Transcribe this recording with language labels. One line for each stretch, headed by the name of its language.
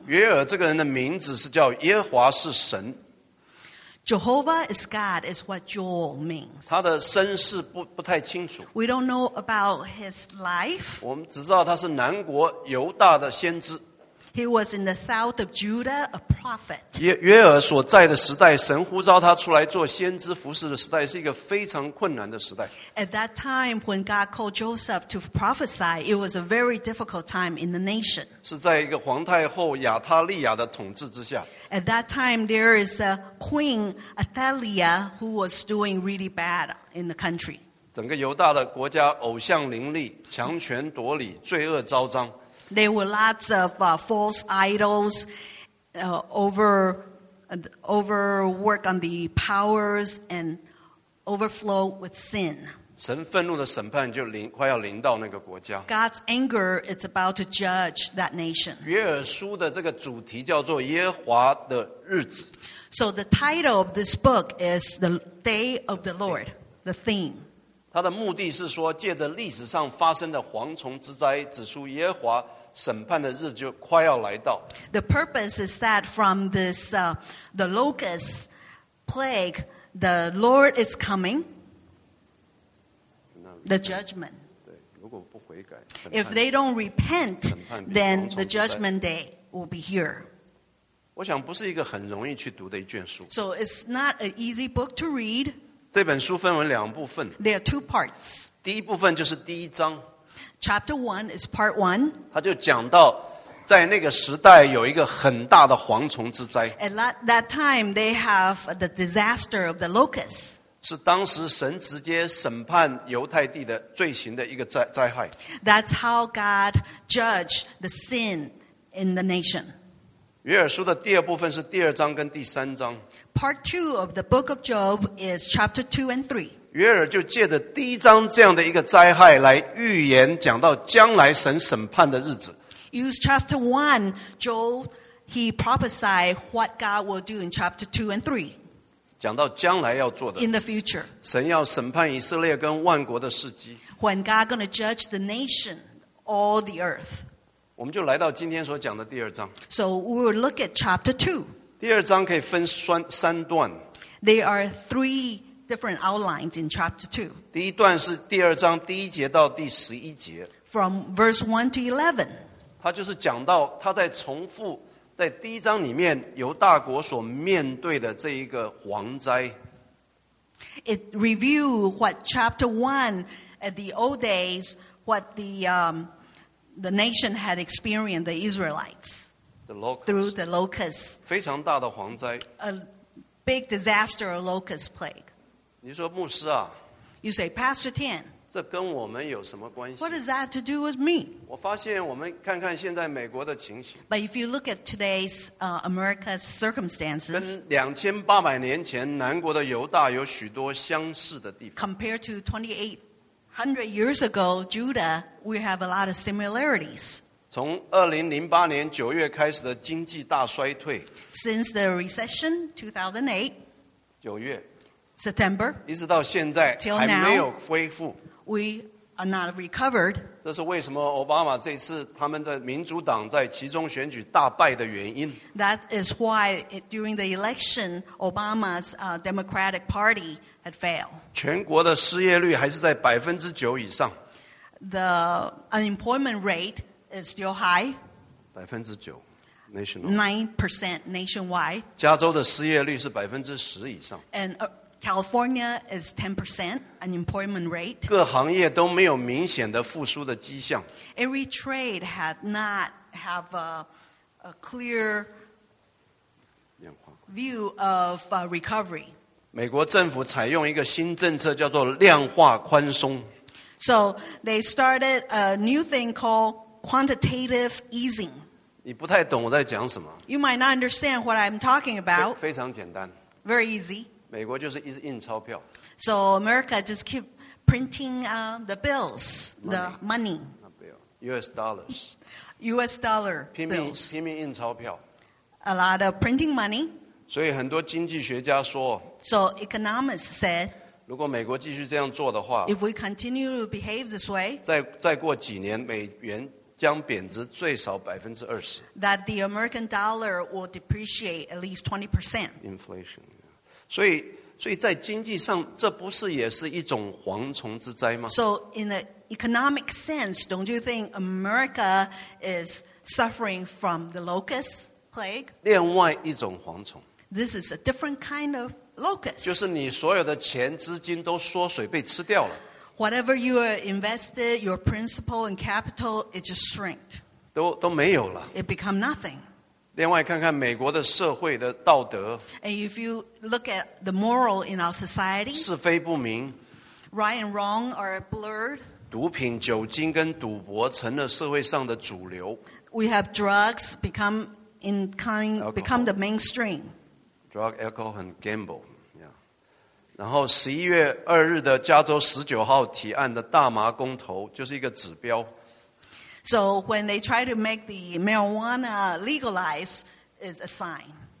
Chinese: 约珥这个人的名字是叫耶华是神。
English: Jehovah is God is what Joel means.
Chinese: 他的身世不太清楚。
English: We don't know about his life.
Chinese: 我们只知道他是南国犹大的先知。
English: He was in the south of Judah, a prophet.
Chinese: 约珥所在的时代，神呼召他出来做先知服事的时代，是一个非常困难的时代。
English: At that time, when God called Joseph to prophesy, it was a very difficult time in the nation.
Chinese: 是在一个皇太后亚他利亚的统治之下。
English: At that time, there is a queen, Athaliah, who was doing really bad in the country.
Chinese: 整个犹大的国家偶像林立，强权夺理，罪恶昭彰。
English: There were lots of false idols, overwork on the powers, and overflow with sin.
Chinese: 神愤怒的审判就快要临到那个国家。
English: God's anger is about to judge that nation.
Chinese: 约珥书的这个主题叫做耶华的日子。
English: So the title of this book is The Day of the Lord, the theme.
Chinese: 他的目的是说，借着历史上发生的蝗虫之灾，指出耶和华审判的日子就快要来到。
English: The purpose is that from this the locust plague, the Lord is coming. The judgment.
Chinese: 对，如果不悔改
English: ，If they don't repent, then the judgment day will be here.
Chinese: 我想不是一个很容易去读的一卷书。
English: So it's not an easy book to read.
Chinese: 这本书分为两部分。
English: There are two parts.
Chinese: 第一部分就是第一章。
English: Chapter one is part one.
Chinese: 他就讲到，在那个时代有一个很大的蝗虫之灾。
English: At that time, they have the disaster of the locusts.
Chinese: 是当时神直接审判犹太地的罪行的一个灾害。
English: That's how God judged the sin in the nation.
Chinese: 约珥书的第二部分是第二章跟第三章。
English: Part 2 of the book of Job is chapter 2 and 3.
Chinese: 约珥就借着第一章这样的一个灾害来预言讲到将来神审判的日子。
English: Use chapter 1, Job, he prophesied what God will do in chapter 2 and 3.
Chinese: 讲到将来要做的
English: in the future,
Chinese: 神要审判以色列跟万国的事迹
English: when God going to judge the nation, all the earth.
Chinese: 我们就来到今天所讲的第二章
English: So we'll look at chapter 2.
Chinese: 第二章可以分三段
English: There are three different outlines in chapter 2.
Chinese: 第一段是第二章第一节到第十一节
English: From verse 1 to 11.
Chinese: 他就是讲到他在重复在第一章里面犹大国所面对的这一个蝗灾
English: It review what chapter 1 at the old days what the nation had experienced the Israelites the locusts, through the locusts
Chinese: 非常大的蝗灾
English: a big disaster of locust plague
Chinese: 你说牧师啊
English: You say Pastor Tian
Chinese: 这跟我们有什么关系
English: What does that to do with me?
Chinese: 我发现我们看看现在美国的情形
English: But if you look at today's America's circumstances
Chinese: 跟2800年前南国的犹大有许多相似的地方
English: Compared to 2800 years ago, Judah, we have a lot of similarities
Chinese: 从2008年9月开始的经济大衰退
English: Since the recession 2008
Chinese: 9月
English: September
Chinese: 一直到现在
English: till now,
Chinese: 还没有恢复
English: We are not recovered
Chinese: 这是为什么奥巴马这次他们的民主党在其中选举大败的原因
English: That is why during the election Obama's Democratic Party had failed
Chinese: 全国的失业率还是在 9% 以上
English: The unemployment rate is still high 9% nationwide
Chinese: 加州的失业率是 10% 以上
English: AndCalifornia is 10% unemployment rate.
Chinese: 各行业都没有明显的复苏的迹象。
English: Every trade had not have a clear view of recovery.
Chinese: 美国政府采用一个新政策叫做量化宽松。
English: So they started a new thing called quantitative easing.
Chinese: 你不太懂我在讲什么。
English: You might not understand what I'm talking about.
Chinese: 非常简单。
English: Very easy.
Chinese: 美国就是一直印钞票。
English: So America just keep printing the bills, money, the money. U.S. dollars. U.S. dollar bills.
Chinese: 拼命印钞票。
English: A lot of printing money.
Chinese: 所以很多经济学家说。
English: So economists said.
Chinese: 如果美国继续这样做的话。
English: If we continue to behave this way.
Chinese: 再过几年，美元将贬值最少20%。
English: That the American dollar will depreciate at least 20%. Inflation.
Chinese: 所以在经济上这不是也是一种蝗虫之灾吗
English: So in an economic sense don't you think America is suffering from the locust plague
Chinese: 另外一种蝗虫
English: This is a different kind of locust
Chinese: 就是你所有的钱资金都缩水被吃掉了
English: Whatever you are invested your principal and capital it just shrink
Chinese: 都没有了
English: It become nothing
Chinese: 另外看看美国的社会的道德
English: And if you look at the moral in our society
Chinese: 是非不明
English: Right and wrong are blurred
Chinese: 毒品、酒精跟赌博成了社会上的主流
English: We have drugs become, in kind, alcohol, become the mainstream Drug, alcohol and gamble、yeah.
Chinese: 然后11月2日的加州19号提案的大麻公投就是一个指标
English: So when they try to make the marijuana legalize, it's a sign.